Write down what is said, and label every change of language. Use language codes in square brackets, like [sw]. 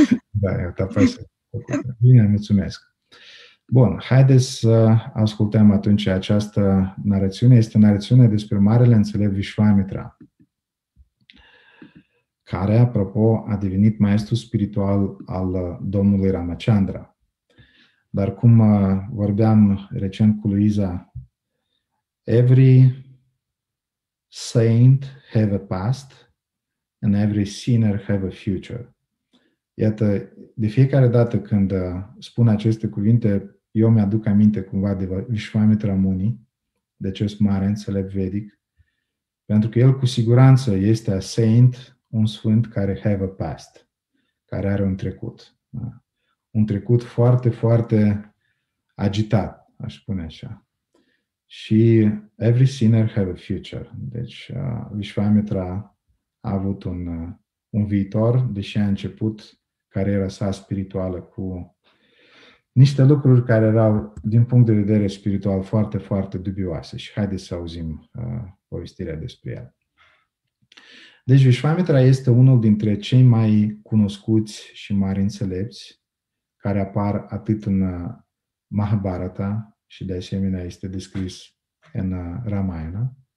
[ro] Da, e o tapasie. Bine, mulțumesc. Bun, haideți să ascultăm atunci această narațiune. Este narațiune despre marele înțelept Vishvamitra, care, apropo, a devenit maestru spiritual al domnului Ramachandra. Dar cum vorbeam recent cu Luiza, [en] every saint have a past and every sinner have a future. [ro] Iată, de fiecare dată când spun aceste cuvinte, eu mi-aduc aminte cumva de Vishvamitra Muni, de acest mare înțelept vedic, pentru că el cu siguranță este [en] a saint, [ro] un sfânt care [en] have a past, [ro] care are un trecut. Da? Un trecut foarte, foarte agitat, aș spune așa. Și [en] every sinner have a future. [ro] Deci Vishvamitra a avut un viitor, deși a început cariera sa spirituală cu niște lucruri care erau, din punct de vedere spiritual, foarte, foarte dubioase. Și haideți să auzim povestirea despre el. Deci Vishvamitra este unul dintre cei mai cunoscuți și mari înțelepți care apar atât în Mahabharata și de asemenea este descris în Ramayana.